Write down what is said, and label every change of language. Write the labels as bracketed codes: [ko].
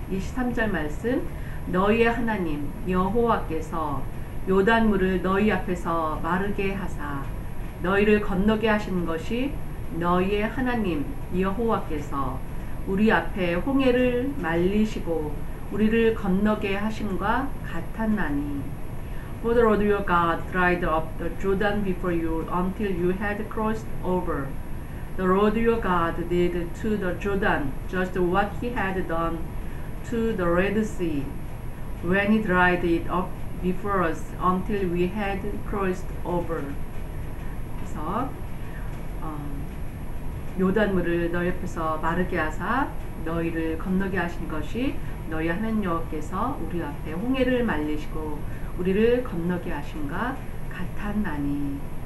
[ko] 23절 말씀, 너희의 하나님 여호와께서 요단물을 너희 앞에서 마르게 하사 너희를 건너게 하신 것이 너희의 하나님 여호와께서 우리 앞에 홍해를 말리시고 우리를 건너게 하심과 같았나니. [en] For the Lord your God dried up the Jordan before you until you had crossed over. The Lord your God did to the Jordan just what he had done to the Red Sea when he dried it up before us until we had crossed over. [ko] 그래서 요단물을 너희 옆에서 마르게 하사 너희를 건너게 하신 것이 너희 하나님 여호와께서 우리 앞에 홍해를 말리시고 우리를 건너게 하신가 같았나니.